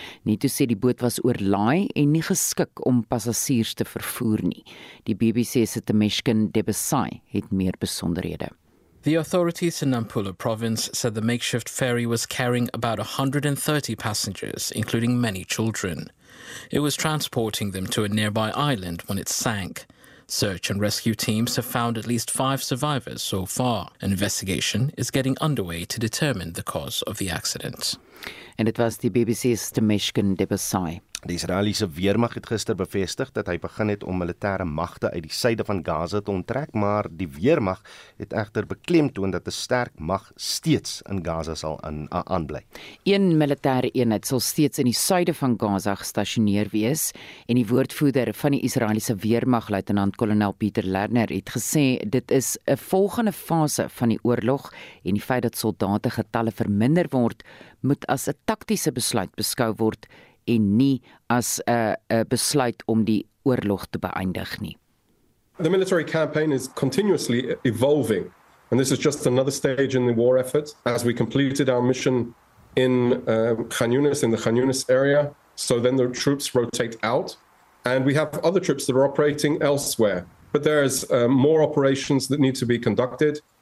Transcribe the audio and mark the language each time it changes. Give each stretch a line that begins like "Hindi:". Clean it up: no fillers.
Afrikaans: Netto sê die boot was oorlaai en nie geskik om passasiers te vervoer nie. Die BBC se Temeskin Debesai het meer besonderhede.
English: The authorities in Nampula province said the makeshift ferry was carrying about 130 passengers, including many children. It was transporting them to a nearby island when it sank. Search and rescue teams have found at least 5 survivors so far. An investigation is getting underway to determine the cause of the accident. And it was the BBC's Temeskin Debesai.
Afrikaans: Die Israeliese weermag het gister bevestig dat hy begin het om militêre magte uit die suide van Gaza te onttrek, maar die weermag het egter beklemtoon dat 'n sterk mag steeds in Gaza sal aanbly. Een militêre eenheid sal steeds in die suide van Gaza gestasioneer wees en die woordvoerder van die Israeliese weermag, luitenant-kolonel Pieter Lerner, het gesê dit is 'n volgende fase van die oorlog en die feit dat soldate getalle verminder word, moet as 'n taktiese besluit beskou word en nie as 'n besluit om die oorlog te beëindig nie.
English: The military campaign is continuously evolving and this is just another stage in the war effort as we completed our mission in Khan Yunis in the Khan Yunis area, so then the troops rotate out and we have other troops that are operating elsewhere, but there is more operations that need to be conducted.